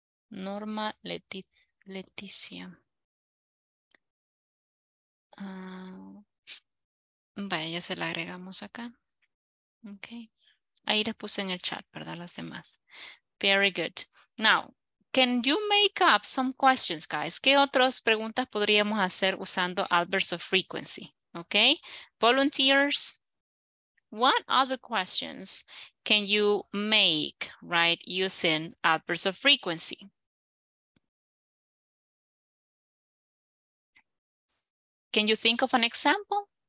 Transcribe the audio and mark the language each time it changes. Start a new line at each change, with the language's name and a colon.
Spanish: Norma Leticia. Vaya, ya se la agregamos acá. Okay. Ahí les puse en el chat, ¿verdad? Las demás.
English: Very good. Now, can you make up some questions, guys?
Spanish: ¿Qué otras preguntas podríamos hacer usando adverbs of frequency?
English: Okay. Volunteers, what other questions can you make, right, using adverbs of frequency? Can you think of an example?